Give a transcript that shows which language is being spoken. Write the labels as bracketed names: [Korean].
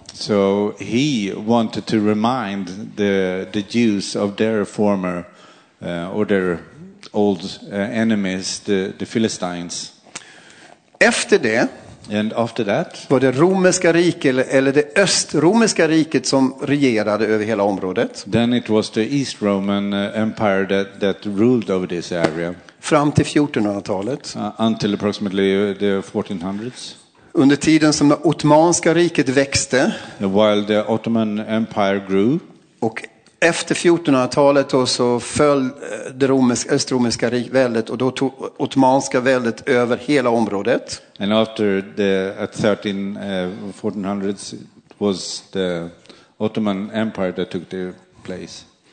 [English] So he wanted to remind the Jews of their former or their old enemies, the Philistines. [Swedish] Efter det. [English] And after that, [Swedish] var det romerska riket eller det östromerska riket som regerade över hela området? [English] Then it was the East Roman Empire that ruled over this area. [Swedish] Fram till 1400-talet. [English] Until approximately the 1400s. [Swedish] Under tiden som det ottomanska riket växte. [English] While the Ottoman Empire grew. [Swedish] Och efter 1400-talet så föll det östromerska väldet och då tog ottomanska väldet över hela området. [English] And after the at 1400s it was the Ottoman Empire that took the place.